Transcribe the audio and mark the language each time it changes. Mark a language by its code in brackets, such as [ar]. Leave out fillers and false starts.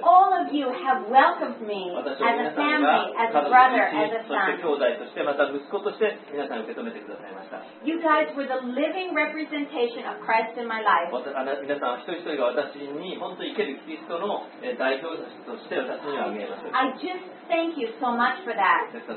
[en] All of you have welcomed me as a family, as a brother, as a son. [ja] そして兄弟としてまた息子として皆さん受け止めてくださいました。 [en] You guys were the living representation of Christ in my life. [ja] 皆さん一人一人が私に本当に生けるキリストの代表として私には見えます。 [en] I justThank you so much for that.